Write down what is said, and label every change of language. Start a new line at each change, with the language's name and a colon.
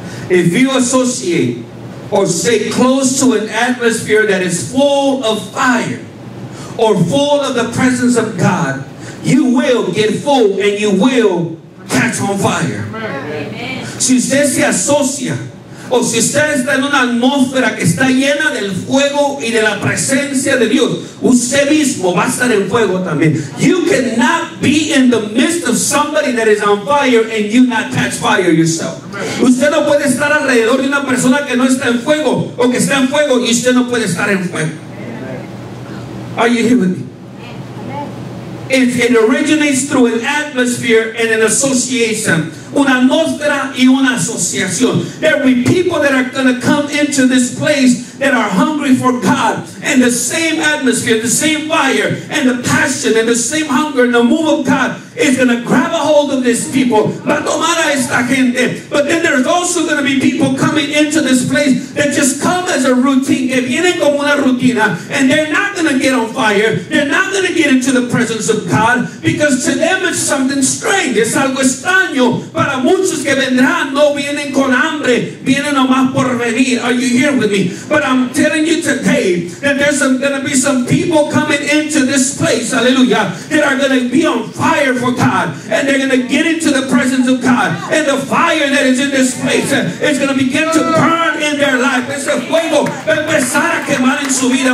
English: If you associate or stay close to an atmosphere that is full of fire or full of the presence of God, you will get full and you will catch on fire. Amen.
Spanish: Si usted se asocia o si usted está en una atmósfera que está llena del fuego y de la presencia de Dios, usted mismo va a estar en fuego también.
English: You cannot be in the midst of somebody that is on fire and you not catch fire yourself.
Spanish: Usted no puede estar alrededor de una persona que no está en fuego o que está en fuego y usted no puede estar en fuego.
English: Are you here with me? It originates through an atmosphere and an association.
Spanish: Una atmósfera y una asociación.
English: There will be people that are going to come into this place that are hungry for God. And the same atmosphere, the same fire, and the passion, and the same hunger, and the move of God is going to grab a hold of these people.
Spanish: Va a tomar a esta gente.
English: But then there's also going to be people coming into this place that just come as a routine,
Spanish: que vienen como una rutina,
English: and they're not going to get on fire. They're not going to get into the presence of God because to them it's something strange.
Spanish: Es algo extraño. Para muchos que vendrán, no vienen con hambre, vienen nomás por venir.
English: Are you here with me? But I'm telling you today that there's going to be some people coming into this place, hallelujah, that are going to be on fire for God, and they're going to get into the presence of God, and the fire that is in this place is going to begin to burn in their life.
Spanish: Ese fuego va a empezar a quemar en su vida.